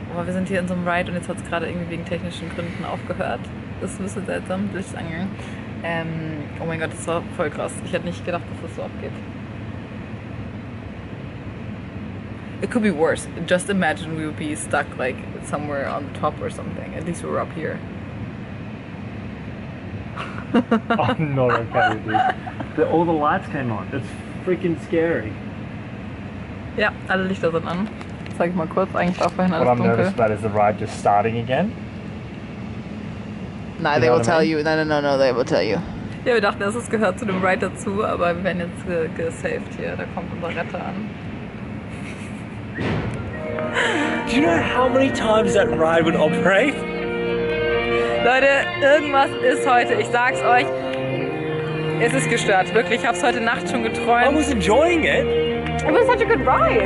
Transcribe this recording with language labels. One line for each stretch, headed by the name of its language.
German: Aber wir sind hier in so einem Ride und jetzt hat's gerade irgendwie wegen technischen Gründen aufgehört. Das ist ein bisschen seltsam, durchs Angeln. Oh mein Gott, das war voll krass. Ich hätte nicht gedacht, dass das so abgeht.
English: It could be worse. Just imagine we would be stuck like somewhere on the top or something. At least we're up here. I'm not okay with this. All the lights came on. It's freaking scary.
German: Ja, alle Lichter sind an. Zeig ich mal kurz. Eigentlich war vorhin alles dunkel.
English: What I'm nervous about is the ride just starting again.
German: Nein,
English: you know they will tell you. No, they will tell you.
German: Ja, wir dachten, es gehört zu dem Ride dazu, aber wir werden jetzt gesaved hier. Da kommt unser Retter an.
English: Do you know how many times that ride would operate?
German: Leute, irgendwas ist heute. Ich sag's euch, es ist gestört. Wirklich, ich hab's heute Nacht schon geträumt.
English: I was enjoying it. It was such a good ride.